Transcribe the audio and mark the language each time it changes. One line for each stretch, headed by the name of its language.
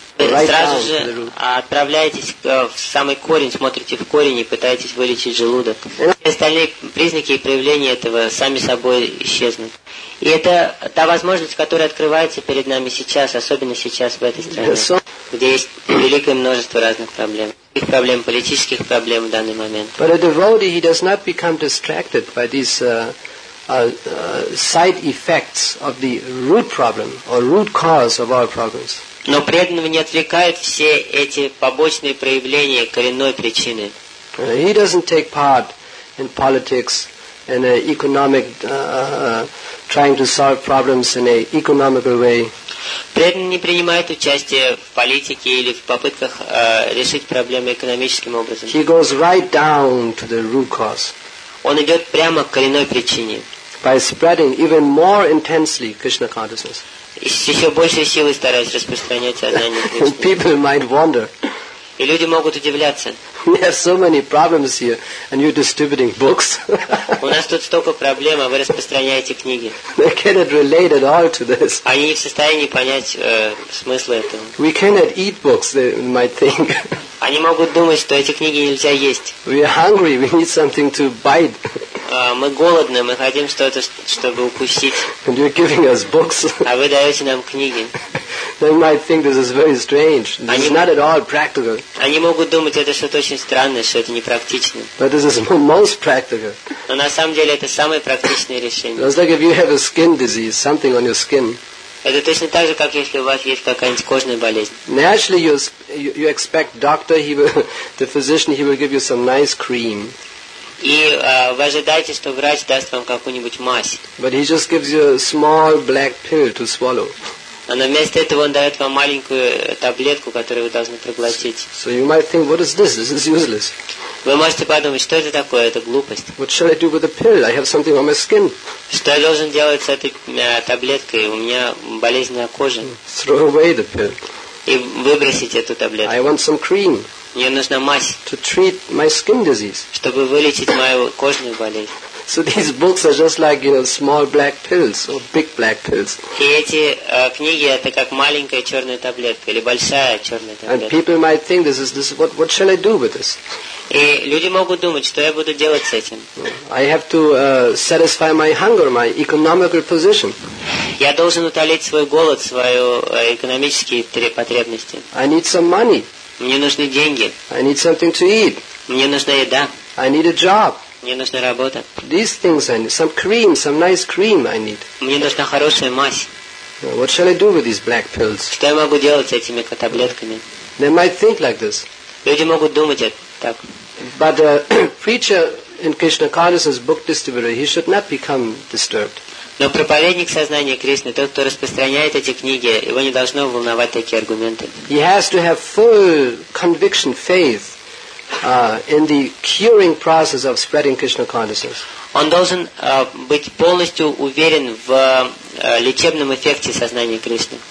Russian: Вы сразу же отправляетесь в самый корень, смотрите в корень и пытаетесь вылечить желудок. И остальные признаки и проявления этого сами собой исчезнут. И это та возможность, которая открывается перед нами сейчас, особенно сейчас в этой стране, где есть великое множество разных проблем. Их проблем, политических проблем в данный момент.
English: But a devotee, he does not become distracted by these side effects of the root problem or root cause of our problems.
Russian: Но преданного не отвлекают все эти побочные проявления коренной причины.
English: He doesn't take part in politics and economic trying to solve problems in a economical way.
Russian: Преданный не принимает участие в политике или в попытках решить проблемы экономическим образом.
English: He goes right down to the root cause.
Russian: Он идет прямо к коренной причине.
English: By spreading even more intensely Krishna consciousness.
Russian: И с еще большей силой стараясь распространять сознание Кришны.
English: People might wonder.
Russian: И люди могут удивляться.
English: We have so many problems here, and you're distributing books.
Russian: У нас тут столько проблем, а вы распространяете книги.
English: They cannot relate at all to this.
Russian: Они не в состоянии понять смысл этого.
English: We cannot eat books, they might think.
Russian: Они могут думать, что эти книги нельзя есть.
English: We are hungry, we need something to bite.
Russian: Мы голодны, мы хотим что-то, чтобы укусить.
English: And you're giving us books.
Russian: А вы даете нам книги.
English: They might think this is very strange. This is not at all practical.
Russian: Они могут думать, это что-то очень странное, что это непрактично.
English: But this is most practical.
Russian: Но на самом деле это самое практичное решение.
English: It's like if you have a skin disease, something on your skin.
Russian: Это точно так же, как если у вас есть какая-нибудь кожная болезнь.
English: Naturally, you expect doctor, the physician, he will give you some nice cream.
Russian: И вы ожидаете, что врач даст вам какую-нибудь мазь.
English: But he just gives you a small black pill to swallow.
Russian: А на место этого он дает вам маленькую таблетку, которую вы должны проглотить.
English: So you might think, what is this? This is useless.
Russian: Вы можете подумать, что это такое? Это глупость.
English: What shall I do with the pill? I have something on my skin.
Russian: Что я должен делать с этой таблеткой? У меня болезненная кожа.
English: Throw away the pill.
Russian: И выбросить эту таблетку.
English: I want some cream.
Russian: Мне нужна мазь.
English: To treat my skin disease.
Russian: Чтобы вылечить мою кожную болезнь.
English: So these books are just like, you know, small black pills or big black pills.
Russian: И эти книги это как маленькая черная таблетка или большая черная таблетка.
English: And people might think this is what shall I do with this?
Russian: И люди могут думать, что я буду делать с этим?
English: I have to satisfy my hunger, my economical position.
Russian: Я должен утолить свой голод, свои экономические потребности.
English: I need some money.
Russian: Мне нужны деньги.
English: I need something to eat.
Russian: Мне нужна еда.
English: I need a job.
Russian: Мне нужна работа.
English: These things I need. Some cream, some nice cream I need.
Russian: Мне нужна хорошая мазь.
English: What shall I do with these black pills?
Russian: Что я могу делать с этими таблетками?
English: They might think like this.
Russian: Люди могут думать так.
English: But the preacher in Krishna consciousness book distributor, he should not become disturbed.
Russian: Но проповедник сознания Кришны, тот, кто распространяет эти книги, его не должно волновать такие аргументы.
English: He has to have full conviction, faith in the curing process of spreading Krishna consciousness.
Russian: Он должен быть полностью уверен в лечебном эффекте сознания Кришны.